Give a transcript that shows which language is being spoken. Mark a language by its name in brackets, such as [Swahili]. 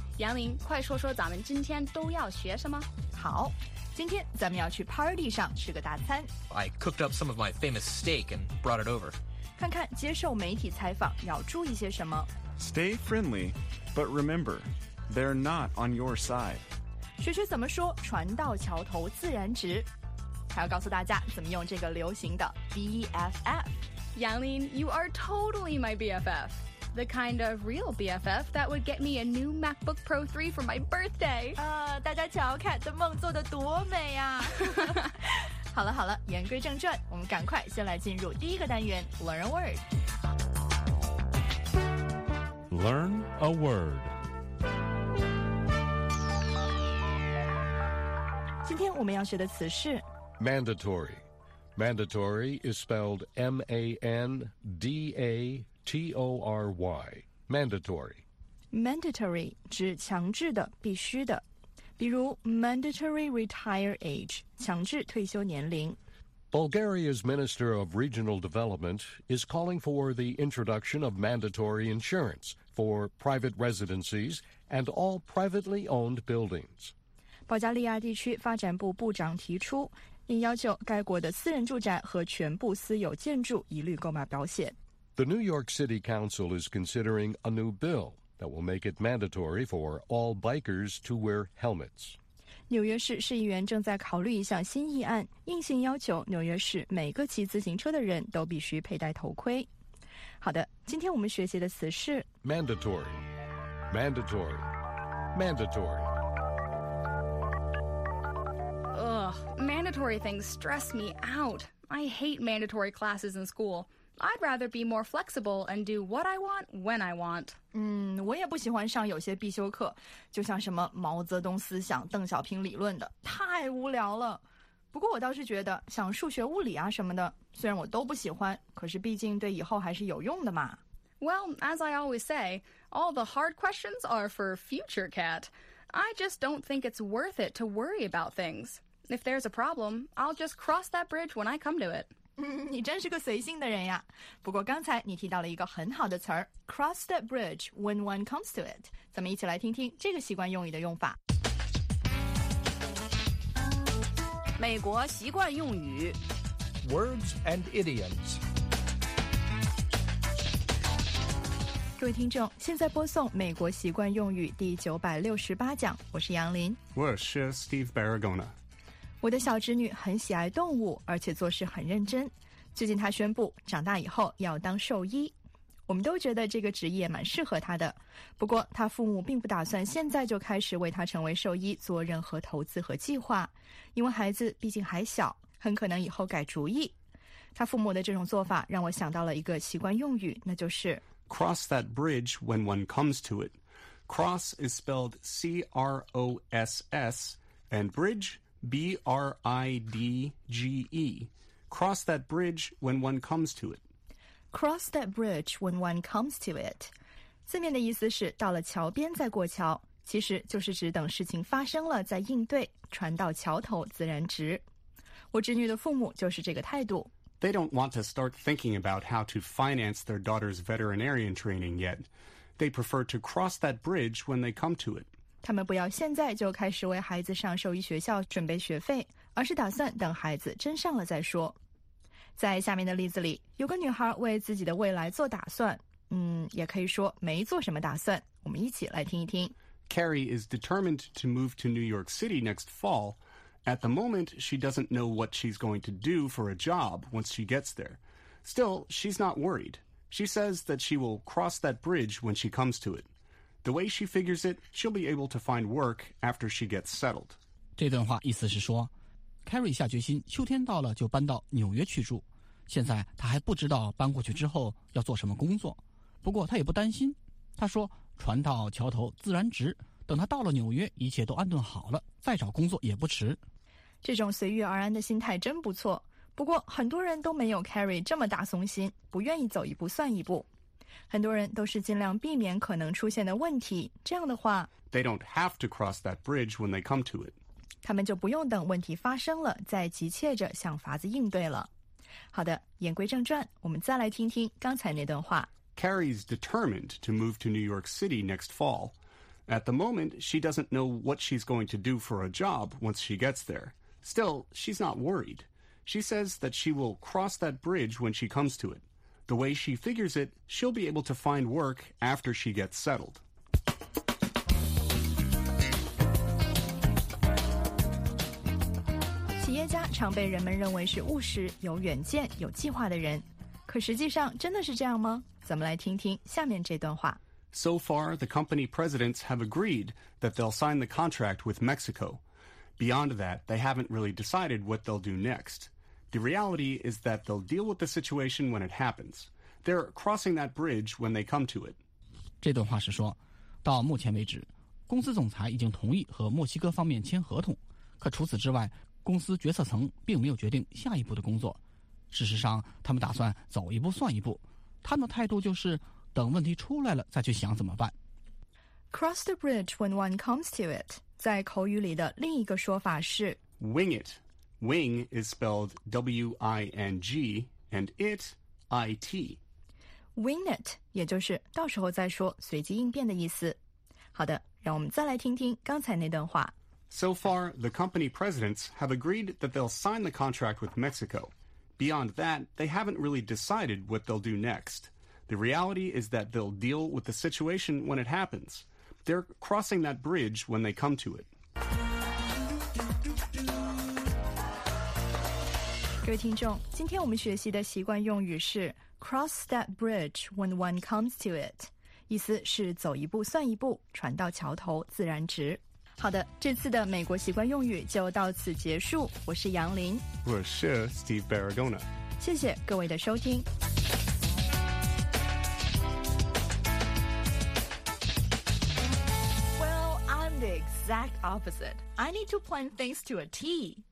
[Chinese] 杨林，快说说咱们今天都要学什么。好，今天咱们要去 party 上吃个大餐。 [English] I cooked up some of my famous steak and brought it over. [Chinese] 看看接受媒体采访要注意些什么。 [English] Stay friendly, but remember, they're not on your side. [Chinese] 学学怎么说船到桥头自然直，还要告诉大家怎么用这个流行的 BFF。 [English] Yanlin, you are totally my BFF. The kind of real BFF that would get me a new MacBook Pro 3 for my birthday. [Chinese] 大家瞧 Cat 的梦做得多美啊。好了好了，言归正传，我们赶快先来进入第一个单元 [English] Learn a Word. Learn a Word. [Chinese] 今天我们要学的词是 [English] Mandatory. Mandatory is spelled M-A-N-D-A-T-O-R-Y. Mandatory. [Chinese] Mandatory 指强制的、必须的。比如 [English] Mandatory Retire Age, [Chinese] 强制退休年龄。 [English] Bulgaria's Minister of Regional Development is calling for the introduction of mandatory insurance for private residencies and all privately owned buildings. [Chinese] 保加利亚地区发展部部长提出并要求该国的私人住宅和全部私有建筑一律购买保险。 [English] The New York City Council is considering a new bill that will make it mandatory for all bikers to wear helmets. [Chinese] 纽约市市议员正在考虑一项新议案，硬性要求纽约市每个骑自行车的人都必须佩戴头盔。好的，今天我们学习的词是 [English] mandatory, mandatory, mandatory. Ugh, mandatory things stress me out. I hate mandatory classes in school. I'd rather be more flexible and do what I want when I want. [Chinese] 我也不喜欢上有些必修课，就像什么毛泽东思想、邓小平理论的，太无聊了。不过我倒是觉得，像数学、物理啊什么的，虽然我都不喜欢，可是毕竟对以后还是有用的嘛。 [English] Well, as I always say, all the hard questions are for future Cat. I just don't think it's worth it to worry about things. If there's a problem, I'll just cross that bridge when I come to it. [Chinese] 你真是个随性的人呀。不过刚才你提到了一个很好的词儿 [English] cross that bridge when one comes to it. [Chinese] 咱们一起来听听这个习惯用语的用法。美国习惯用语 [English] Words and idioms. [Chinese] 各位听众，现在播送美国习惯用语第968讲，我是杨林。我是 Steve Barragona。我的小侄女很喜爱动物，而且做事很认真。最近她宣布长大以后要当兽医，我们都觉得这个职业蛮适合她的。不过她父母并不打算现在就开始为她成为兽医做任何投资和计划，因为孩子毕竟还小，很可能以后改主意。她父母的这种做法让我想到了一个习惯用语，那就是 [English] Cross that bridge when one comes to it. Cross is spelled C-R-O-S-S and bridge B-R-I-D-G-E. Cross that bridge when one comes to it. Cross that bridge when one comes to it. [Chinese] 字面的意思是到了桥边再过桥，其实就是指等事情发生了再应对，船到桥头自然直。我侄女的父母就是这个态度。 [English] They don't want to start thinking about how to finance their daughter's veterinarian training yet. They prefer to cross that bridge when they come to it. [Chinese] 他们不要现在就开始为孩子上兽医学校准备学费，而是打算等孩子真上了再说。在下面的例子里，有个女孩为自己的未来做打算，也可以说没做什么打算。我们一起来听一听。 [English] Carrie is determined to move to New York City next fall. At the moment, she doesn't know what she's going to do for a job once she gets there. Still, she's not worried. She says that she will cross that bridge when she comes to it. The way she figures it, she'll be able to find work after she gets settled. [Chinese] 这段话意思是说 ,Carrie 下决心秋天到了就搬到纽约去住。现在她还不知道搬过去之后要做什么工作。不过她也不担心。她说船到桥头自然直。等他到了纽约，一切都安顿好了，再找工作也不迟。这种随遇而安的心态真不错。不过很多人都没有 Carrie 这么大松心，不愿意走一步算一步。很多人都是尽量避免可能出现的问题，这样的话 [English] They don't have to cross that bridge when they come to it. [Chinese] 他们就不用等问题发生了再急切着想法子应对了。好的，言归正传，我们再来听听刚才那段话。 [English] Carrie's determined to move to New York City next fall. At the moment, she doesn't know what she's going to do for a job once she gets there. Still, she's not worried. She says that she will cross that bridge when she comes to it. The way she figures it, she'll be able to find work after she gets settled. [Chinese] 常被人们认为是务实、有远见、有计划的人，可实际上真的是这样吗？咱们来听听下面这段话。 [English] So far, the company presidents have agreed that they'll sign the contract with Mexico. Beyond that, they haven't really decided what they'll do next. The reality is that they'll deal with the situation when it happens. They're crossing that bridge when they come to it. [Chinese] 这段话是说，到目前为止，公司总裁已经同意和墨西哥方面签合同，可除此之外。公司决策层并没有决定下一步的工作，事实上他们打算走一步算一步，他们的态度就是等问题出来了再去想怎么办。 [English] Cross the bridge when one comes to it [Chinese] 在口语里的另一个说法是 [English] Wing it. Wing is spelled W-I-N-G and it I-T. Wing it [Chinese] 也就是到时候再说，随机应变的意思。好的，让我们再来听听刚才那段话。 [English] So far, the company presidents have agreed that they'll sign the contract with Mexico. Beyond that, they haven't really decided what they'll do next. The reality is that they'll deal with the situation when it happens. They're crossing that bridge when they come to it. [Chinese] 各位听众，今天我们学习的习惯用语是 [English] cross that bridge when one comes to it. [Chinese] 意思是走一步算一步，船到桥头自然直。好的，这次的美国习惯用语就到此结束。我是杨林，我是 Steve Barragona。谢谢各位的收听。 [English] Well, I'm the exact opposite. I need to plan things to a T.